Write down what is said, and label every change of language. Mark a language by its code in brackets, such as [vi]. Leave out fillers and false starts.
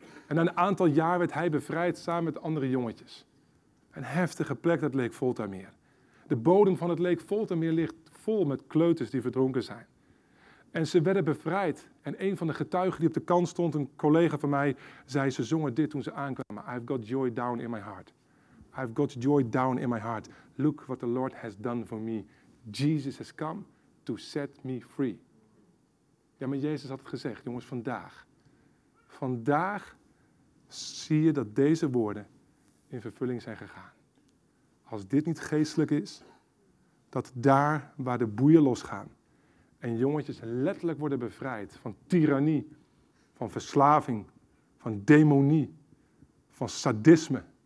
[nl] En na een aantal jaar werd hij bevrijd samen met andere jongetjes. Een heftige plek, dat Lake Volta meer. De bodem van het Lake Volta meer ligt vol met kleuters die verdronken zijn. En ze werden bevrijd. En een van de getuigen die op de kant stond, een collega van mij, zei ze zongen dit toen ze aankwamen. [en] I've got joy down in my heart. I've got joy down in my heart. Look what the Lord has done for me. Jesus has come to set me free. [nl] Ja, maar Jezus had het gezegd, jongens, vandaag. Vandaag zie je dat deze woorden in vervulling zijn gegaan. Als dit niet geestelijk is, dat daar waar de boeien losgaan en jongetjes letterlijk worden bevrijd van tirannie, van verslaving, van demonie, van sadisme.